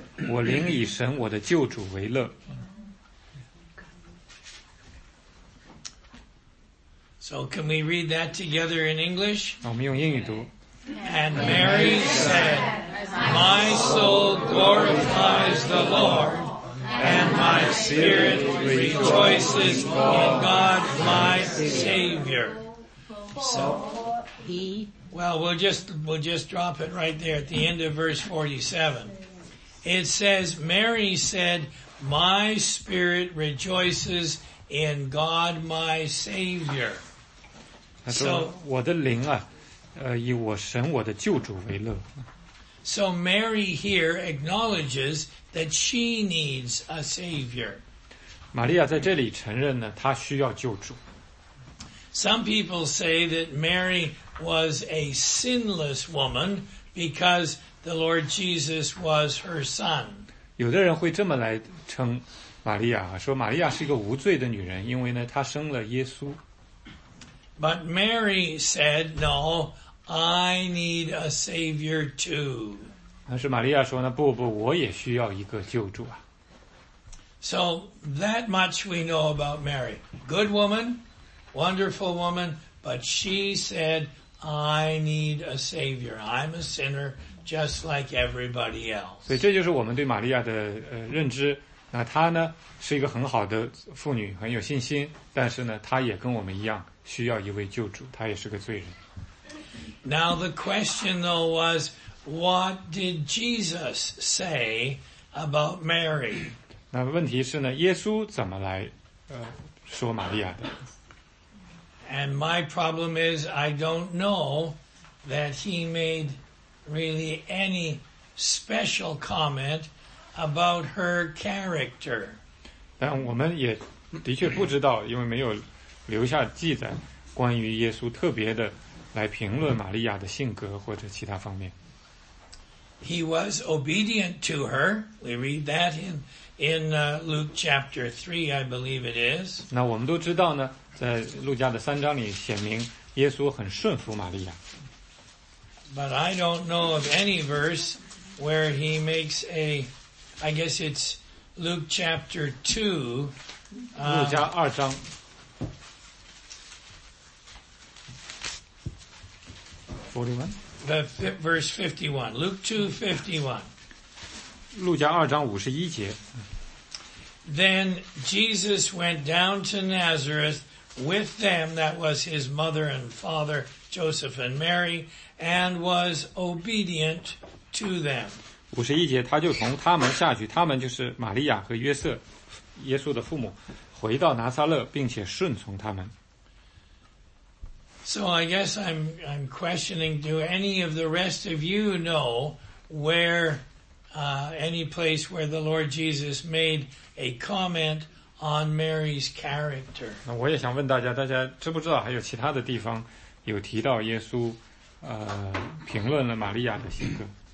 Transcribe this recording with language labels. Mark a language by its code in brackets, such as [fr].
[zh] 我灵以神我的救主为乐。 [en] So can we read that together in English? [zh] 我们用英语读。 [en] And Mary said, My soul glorifies the Lord, and my spirit rejoices in God my Savior. So, we'll just drop it right there at the end of verse 47. It says, Mary said, My spirit rejoices in God my Savior. [zh] So, 我的灵啊。以我神我的救主为乐。 [en] So Mary here acknowledges that she needs a savior. [zh] 玛利亚在这里承认呢，她需要救主。 [en] Some people say that Mary was a sinless woman because the Lord Jesus was her son. [zh] 有的人会这么来称玛利亚，说玛利亚是一个无罪的女人，因为呢，她生了耶稣。 [en] But Mary said, no, I need a savior too. [zh] 但是玛利亚说呢，不不，我也需要一个救主啊。 [en] So that much we know about Mary. Good woman, wonderful woman, but she said, I need a savior. I'm a sinner just like everybody else. [zh] 所以这就是我们对玛利亚的认知。那她呢，是一个很好的妇女，很有信心，但是呢，她也跟我们一样。需要一位救主，他也是个罪人。 [en] Now the question though was, what did Jesus say about Mary? [zh] 那问题是呢，耶稣怎么来说玛利亚的？ [en] And my problem is, I don't know that he made really any special comment about her character. [zh] 但我们也的确不知道，因为没有留下记载，关于耶稣特别的来评论玛利亚的性格或者其他方面。 [en] He was obedient to her. We read that in Luke chapter 3, I believe it is. [zh] 那我们都知道呢，在路加的三章里显明耶稣很顺服玛利亚。 [en] But I don't know of any verse where he makes a, I guess it's Luke chapter 2. [zh] 路加二章。 [en] 41? verse 51, Luke 2:51. [zh] 路加2:51节. [en] Then Jesus went down to Nazareth with them, that was his mother and father, Joseph and Mary, and was obedient to them. [zh] 51节, 他就从他们下去, 他们就是玛利亚和约瑟, 耶稣的父母, 回到拿撒勒, 并且顺从他们。 [en] So I guess I'm questioning, do any of the rest of you know where, any place where the Lord Jesus made a comment on Mary's character? [zh] 我也想问大家, 大家知不知道还有其他的地方, 有提到耶稣, 评论了玛利亚的性格。